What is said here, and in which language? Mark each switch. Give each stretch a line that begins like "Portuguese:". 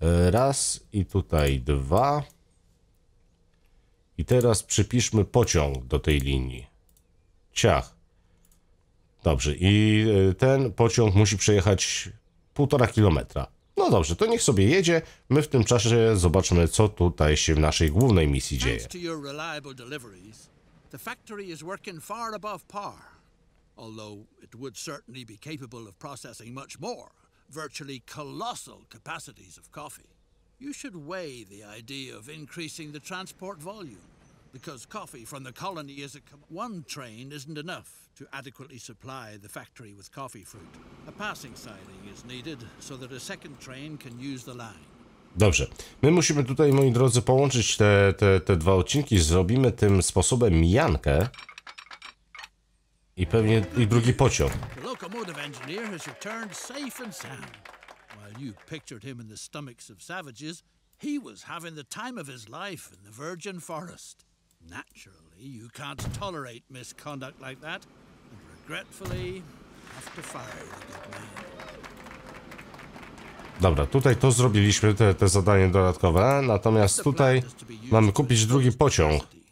Polish: Raz i tutaj dwa. I teraz przypiszmy pociąg do tej linii. Ciach. Dobrze, i ten pociąg musi przejechać 1,5 kilometra. No dobrze, to niech sobie jedzie. My w tym czasie zobaczymy, co tutaj się w naszej głównej misji dzieje. Dzięki Waszym
English: reliable deliveries, the factory is working far above par. Although it would certainly be capable of processing much more, virtually colossal capacities of coffee. You should weigh the idea of increasing the transport volume, because coffee from the colony is a one train isn't enough to adequately supply the factory with coffee fruit. A passing siding is needed so that a second train can use the line.
Polish: Dobrze. My musimy tutaj, moi drodzy, połączyć te dwa odcinki. Zrobimy tym sposobem miankę i pewnie i drugi pociąg.
English: The locomotive engineer has returned safe and sound. While you pictured him in the stomachs of savages, he was having the time of his life in the virgin forest. Naturally, you can't tolerate misconduct like that, and regretfully have to fire the good man.
Polish: Dobra, tutaj to zrobiliśmy, te zadanie dodatkowe, natomiast tutaj mamy kupić drugi pociąg.